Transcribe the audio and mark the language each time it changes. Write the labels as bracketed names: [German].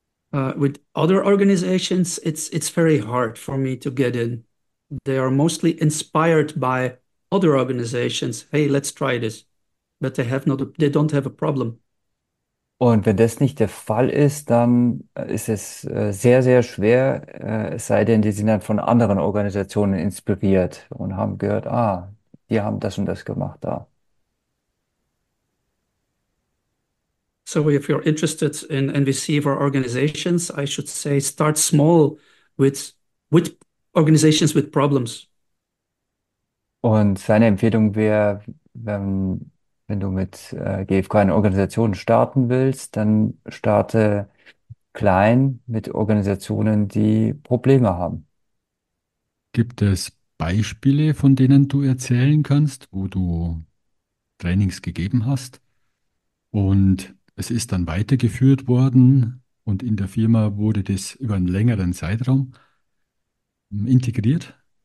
[English] With other organizations, it's very hard for me to get in. They are mostly inspired by other organizations. Hey, let's try this. But they don't have a problem. [German] Und wenn das nicht der Fall ist, dann ist es sehr, sehr schwer, es sei denn, die sind dann von anderen Organisationen inspiriert und haben gehört, ah, die haben das und das gemacht da. [English] So, if you're interested in NVC for organizations, I should say start small with organizations with problems. [German] Und seine Empfehlung wäre, wenn du mit GfK in Organisationen starten willst, dann starte klein mit Organisationen, die Probleme haben. Gibt es Beispiele, von denen du erzählen kannst, wo du Trainings gegeben hast und es ist dann weitergeführt worden und in der Firma wurde das über einen längeren Zeitraum integriert?